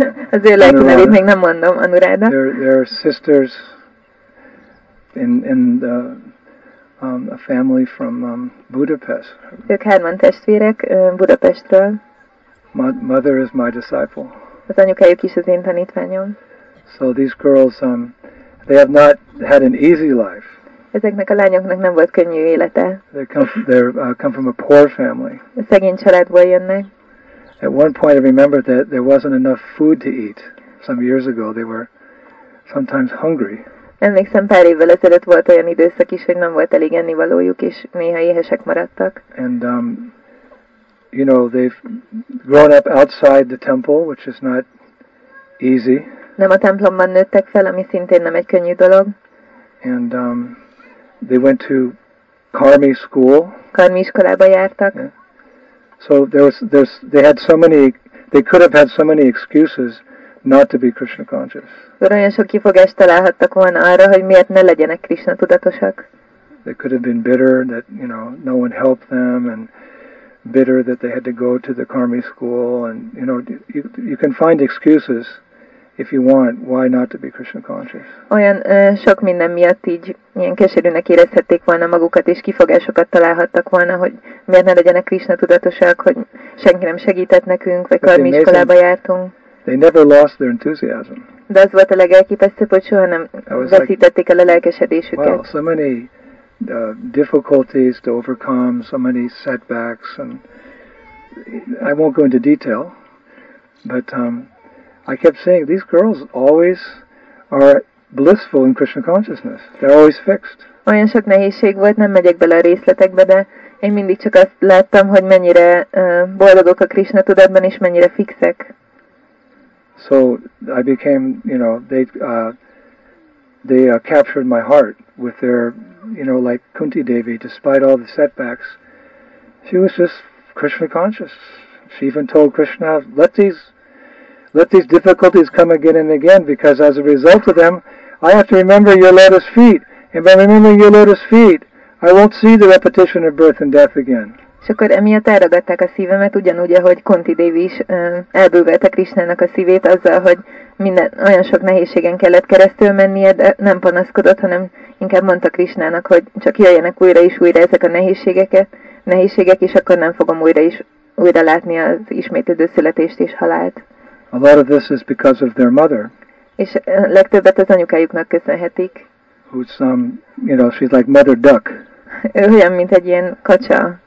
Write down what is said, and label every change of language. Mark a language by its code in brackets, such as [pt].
[hu] Az ő lelki nevét még nem mondom, Anuráda. [en] They're sisters in a family from Budapest. [hu] Ők hárman testvérek Budapestről. [en] Mother is my disciple. [hu] Az anyukájuk is az én tanítványom. [en] So these girls, they have not had an easy life. [hu] Ezeknek a lányoknak nem volt könnyű élete. [en] They come from a poor family. [hu] A szegény családból jönnek. [en] At one point, I remember that there wasn't enough food to eat. Some years ago, they were sometimes hungry. [hu] Emlékszem, pár évvel ezelőtt volt olyan időszak is, hogy nem volt elég ennivalójuk, és néha éhesek maradtak. [en] And you know, they've grown up outside the temple, which is not easy. [hu] Nem a templomban nőttek fel, ami szintén nem egy könnyű dolog. [en] And they went to Karmi school. [hu] Karmi iskolába jártak. [en] Yeah. So they could have had so many excuses not to be Krishna conscious. [hu] Olyan sok kifogást találhattak volna arra, hogy miért ne legyenek Krishna tudatosak. [en] They could have been bitter that, you know, no one helped them, and bitter that they had to go to the Karmi school, and you know, you can find excuses if you want, why not to be Krishna conscious? [hu] Olyan sok minden miatt így ilyen keserűnek érezhették volna magukat, és kifogásokat találhattak volna, hogy miért ne legyenek Krishna tudatosak, hogy senki nem segített nekünk, vagy karmi iskolába jártunk. [en] They never lost their enthusiasm. [hu] De az volt a legelképesztőbb, hogy soha nem veszítették el a lelkesedésüket. [en] Well, so many difficulties to overcome, so many setbacks, and I won't go into detail, but I kept saying, these girls always are blissful in Krishna consciousness. They're always fixed. [hu] Olyan sok nehézség volt, nem megyek bele a részletekbe, de én mindig csak azt láttam, hogy mennyire boldogok a Krishna tudatban, és mennyire fixek. [en] So I became, you know, they captured my heart with their, you know, like Kunti Devi, despite all the setbacks. She was just Krishna conscious. She even told Krishna, let these difficulties come again and again, because as a result of them, I have to remember your lotus feet. And by remembering your lotus feet, I won't see the repetition of birth and death again. [hu] És akkor emiatt elragadták a szívemet, ugyanúgy, ahogy Kunti Devi is elbővelte Krishnának a szívét azzal, hogy minden olyan sok nehézségen kellett keresztül mennie, de nem panaszkodott, hanem inkább mondta Krishnának, hogy csak jöjjenek újra és újra ezek a nehézségek, és akkor nem fogom újra is újra látni az ismétlődő születést és halált. [en] A lot of this is because of their mother. [hu] És legtöbbet az anyukájuknak köszönhetik. [en] Who's, you know, she's like mother duck. [hu] Ő olyan, mint egy ilyen kacsa.